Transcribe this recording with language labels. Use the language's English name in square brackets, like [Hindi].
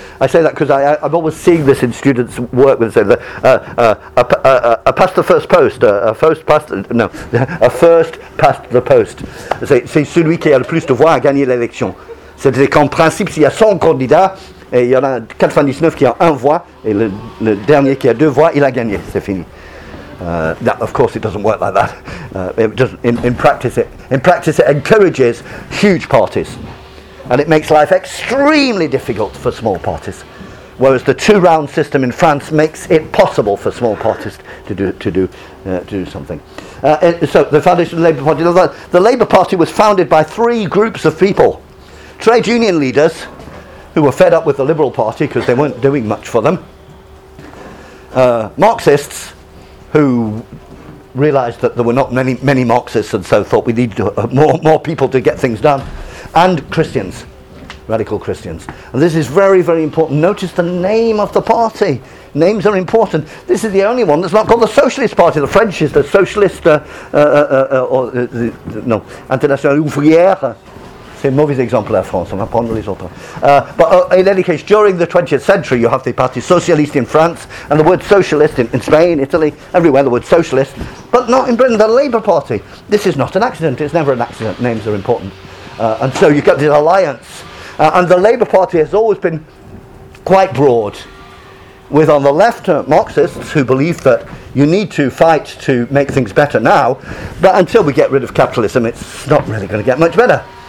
[English] I say that because I've always seen this in students' work, when they say that a first past the post. [French] C'est celui qui a le plus de voix à gagner l'élection. C'est-à-dire qu'en principe, s'il y a 100 candidats, et il y en a 99 qui ont un voix, et le dernier qui a deux voix, il a gagné. C'est fini. [English] That, of course, it doesn't work like that. In practice, it encourages huge parties, and it makes life extremely difficult for small parties. Whereas the two-round system in France makes it possible for small parties to do something. So the foundation of the Labour Party. The Labour Party was founded by three groups of people: trade union leaders, who were fed up with the Liberal Party because they weren't doing much for them; Marxists, who realised that there were not many Marxists, and so thought we need more people to get things done; and Christians, radical Christians. And this is very, very important. Notice the name of the party. Names are important. This is the only one that's not called the Socialist Party. The French is the Socialist, International Ouvrière. [French] C'est un mauvais exemple à France, on va prendre les autres. [English] In any case, during the 20th century, you have the Parti Socialiste in France, and the word socialist in Spain, Italy, everywhere, the word socialist, but not in Britain, the Labour Party. This is not an accident, it's never an accident, names are important. And so you get this alliance. And the Labour Party has always been quite broad, with on the left Marxists who believe that you need to fight to make things better now, but until we get rid of capitalism, it's not really going to get much better.